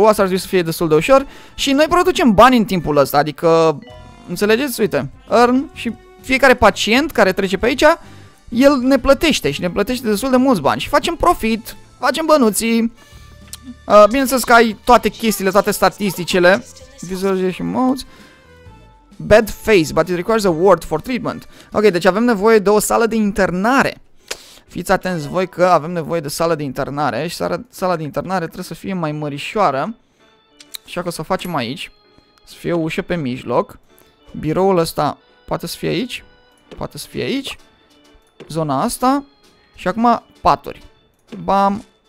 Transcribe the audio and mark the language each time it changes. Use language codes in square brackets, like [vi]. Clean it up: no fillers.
[ro] Asta ar trebui să fie destul de ușor. Și noi producem bani în timpul ăsta, adică... Înțelegeți? Uite, earn. Și fiecare pacient care trece pe aici, el ne plătește și ne plătește destul de mulți bani. Și facem profit, facem bănuții. Bineînțeles că ai toate chestiile, toate statisticele. [en] Visualization modes. Bad face, but it requires a ward for treatment. [ro] Ok, deci avem nevoie de o sală de internare. Fiți atenți voi că avem nevoie de sală de internare. Și sala de internare trebuie să fie mai mărișoară. Așa că o să o facem aici. Să fie o ușă pe mijloc. Biroul ăsta poate să fie aici. Poate să fie aici. Zona asta. Și acum paturi. Bam.